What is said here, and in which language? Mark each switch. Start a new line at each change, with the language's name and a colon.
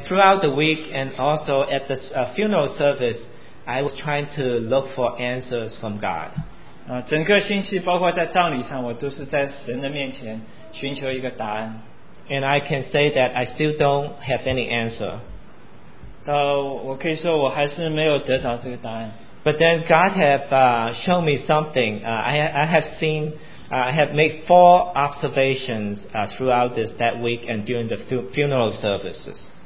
English: throughout the week, and also at the funeral service, I was trying to look for answers from God.
Chinese: 整个星期，包括在葬礼上，我都是在神的面前寻求一个答案。And
English: I can say that I still don't have any answer.
Chinese: 我可以说我还是没有得到这个答案。
English: But then God have shown me something. I have made four observations throughout that week and during the funeral services.